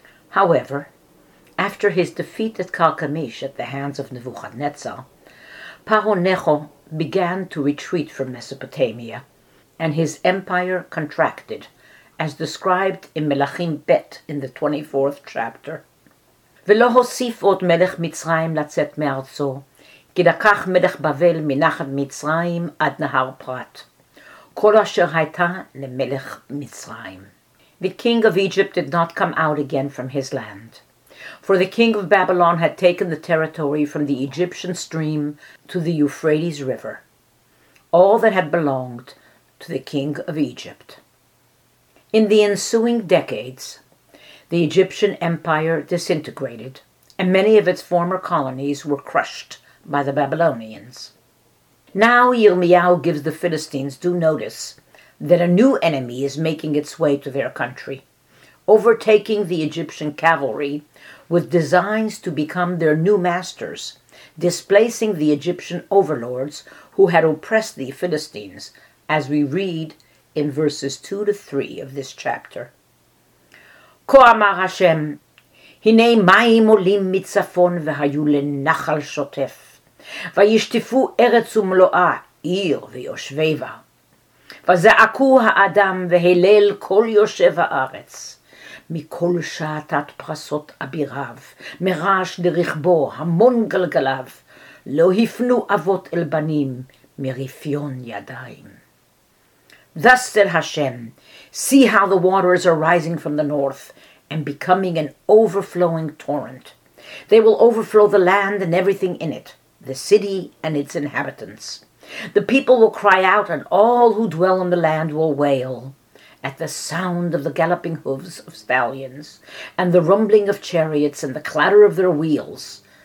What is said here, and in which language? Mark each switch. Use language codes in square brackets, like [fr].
[en] However, after his defeat at Carchemish at the hands of Nebuchadnezzar, Pharaoh Necho began to retreat from Mesopotamia, and his empire contracted, as described in Melachim Bet in the 24th chapter. [he] ולא הוסיף עוד מלך מצרים לצאת מארצו, כי לקח מלך בבל מנחת מצרים עד נהר פרת, כל אשר הייתה למלך מצרים. [en] The king of Egypt did not come out again from his land, for the king of Babylon had taken the territory from the Egyptian stream to the Euphrates River, all that had belonged to the king of Egypt. In the ensuing decades, the Egyptian empire disintegrated, and many of its former colonies were crushed by the Babylonians. Now Yirmiyahu gives the Philistines due notice that a new enemy is making its way to their country, overtaking the Egyptian cavalry with designs to become their new masters, displacing the Egyptian overlords who had oppressed the Philistines, as we read in verses 2 to 3 of this chapter. [he] כה אמר השם, הנה מים עולים מצפון והיו לנחל שוטף, וישטפו ארץ ומלואה, עיר ויושבי בה. וזעקו האדם והלל כל יושב הארץ, מכל שעתת פרסות אביריו, מרעש לרכבו, המון גלגליו, לא הפנו אבות אל בנים מרפיון ידיים. [en] Thus said Hashem, see how the waters are rising from the north and becoming an overflowing torrent. They will overflow the land and everything in it, the city and its inhabitants. The people will cry out and all who dwell in the land will wail at the sound of the galloping hoofs of stallions and the rumbling of chariots and the clatter of their wheels.